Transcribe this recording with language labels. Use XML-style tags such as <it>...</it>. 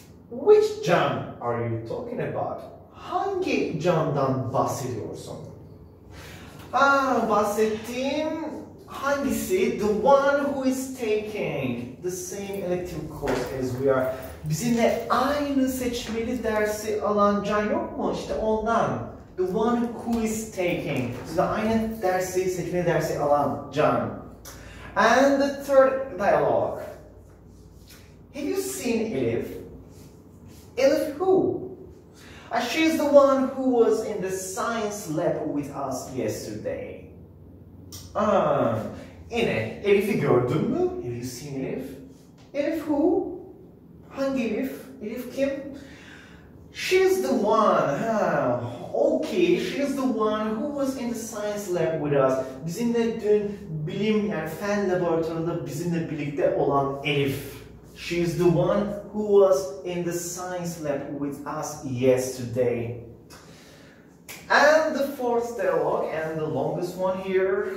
<en>Which John are you talking about? Hangi John'dan bahsediyorsun?</en> <tr>Bahsettiğim hangisi?</tr> <en>The one who is taking the same elective course as we are.</en> <tr>Bizimle aynı seçmeli dersi alan can yok mu? İşte ondan. The one who is taking. Bizimle aynı dersi, seçmeli dersi alan can.</tr> <en>And the third dialogue. Have you seen Elif? Elif who? She's the one who was in the science lab with us yesterday.</en> <tr>Yine Elif'i gördün mü? Have you seen Elif? Elif who? Hangi Elif? Elif kim?</tr> <en>She's the one. Okay, she's the one who was in the science lab with us.</en> <tr>Bizimle dün bilim yani fen laboratuvarında bizimle birlikte olan Elif.</tr> <en>She's the one who was in the science lab with us yesterday. And the fourth dialogue and the longest one here.</en>